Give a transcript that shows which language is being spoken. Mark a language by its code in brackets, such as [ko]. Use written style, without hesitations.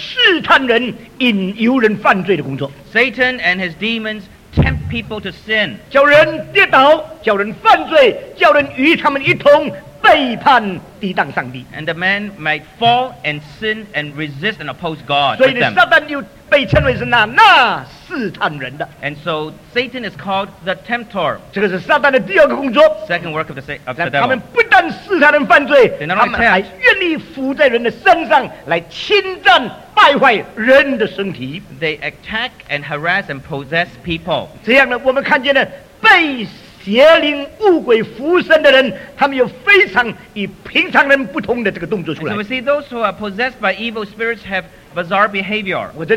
[zh] 撒旦和魔鬼是这个邪鬼物灵所做的工作是试探人引诱人犯罪的工作。 [en] Satan and his demons tempt people to sin. [zh] 叫人跌倒, 叫人犯罪, 叫人与他们一同 [en] And the man might fall and sin and resist and oppose God. And so Satan is called the tempter. Second work of the devil. They attack and harass and possess people. [zh] 邪灵、物鬼附身的人，他们有非常与平常人不同的这个动作出来。 [en] So we see those who are possessed by evil spirits have bizarre behavior.